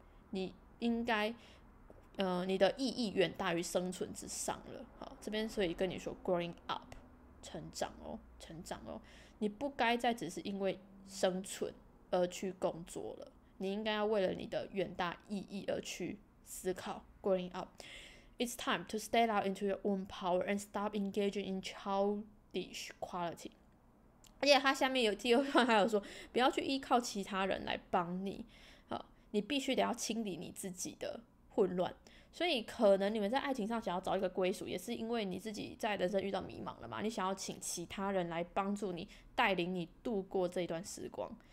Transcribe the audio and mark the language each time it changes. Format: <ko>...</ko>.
<zh>你应该，你的意义远大于生存之上了。好，这边所以跟你说，</zh> <en>growing up，</en> <zh>成长哦，成长哦，你不该再只是因为生存而去工作了，你应该要为了你的远大意义而去思考。</zh> <en>growing up，it's time to step out into your own power and stop engaging in childish quality。</en> <zh>而且它下面有第二段还有说，不要去依靠其他人来帮你。你必须得要清理你自己的混乱，所以可能你们在爱情上想要找一个归属，也是因为你自己在人生遇到迷茫了嘛。你想要请其他人来帮助你，带领你度过这一段时光。</zh>